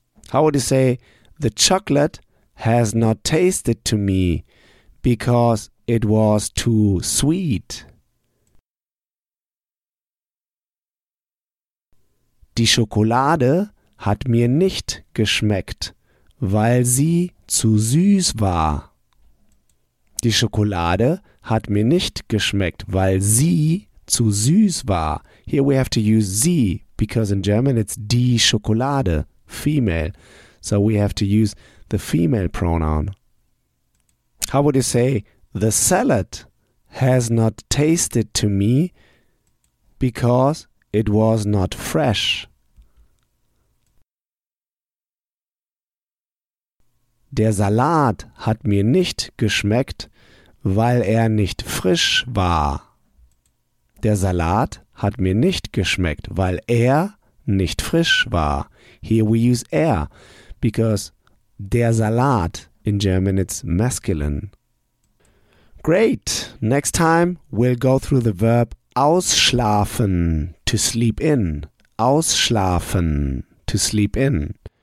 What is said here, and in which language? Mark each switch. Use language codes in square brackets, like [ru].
[en] How would you say, the chocolate has not tasted to me because it was too sweet? [de] Die Schokolade hat mir nicht geschmeckt, weil sie zu süß war. Die Schokolade hat mir nicht geschmeckt, weil sie zu süß war. [en] Here we have to use sie, because in German it's die Schokolade, female. So we have to use the female pronoun. How would you say, the salad has not tasted to me because it was not fresh? [de] Der Salat hat mir nicht geschmeckt, weil er nicht frisch war. Der Salat hat mir nicht geschmeckt, weil er nicht frisch war. [en] Here we use er, because der Salat in German it's masculine. Great! Next time we'll go through the verb ausschlafen, to sleep in. Ausschlafen, to sleep in.